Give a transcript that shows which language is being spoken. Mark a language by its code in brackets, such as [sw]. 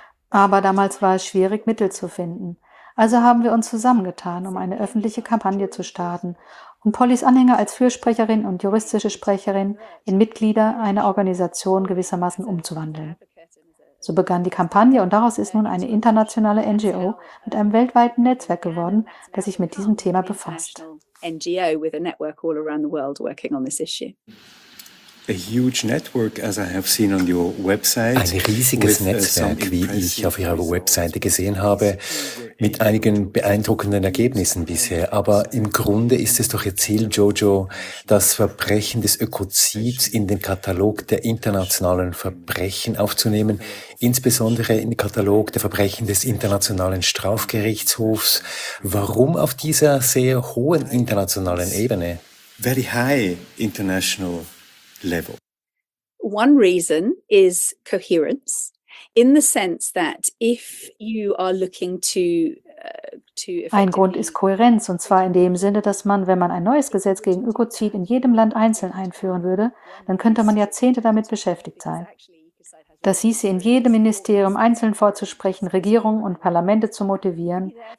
[de] Aber damals war es schwierig, Mittel zu finden. Also haben wir uns zusammengetan, um eine öffentliche Kampagne zu starten und Pollys Anhänger als Fürsprecherin und juristische Sprecherin in Mitglieder einer Organisation gewissermaßen umzuwandeln. So begann die Kampagne und daraus ist nun eine internationale NGO mit einem weltweiten Netzwerk geworden, das sich mit diesem Thema befasst. [en] NGO with a network all around the world working on this issue. A huge network, as I have seen on your website. [de] Ein riesiges Netzwerk, wie ich auf Ihrer Webseite gesehen habe, mit einigen beeindruckenden Ergebnissen bisher. Aber im Grunde ist es doch Ihr Ziel, Jojo, das Verbrechen des Ökozids in den Katalog der internationalen Verbrechen aufzunehmen, insbesondere in den Katalog der Verbrechen des Internationalen Strafgerichtshofs. Warum auf dieser sehr hohen internationalen Ebene? [en] Very high international level. One reason is coherence, in the sense that if you are looking to [de] Ein Grund ist Kohärenz, und zwar in dem Sinne, dass man, wenn man ein neues Gesetz gegen Ökozid in jedem Land einzeln einführen würde, dann könnte man Jahrzehnte damit beschäftigt sein. Das hieße, in jedem Ministerium einzeln vorzusprechen, Regierungen und Parlamente zu motivieren.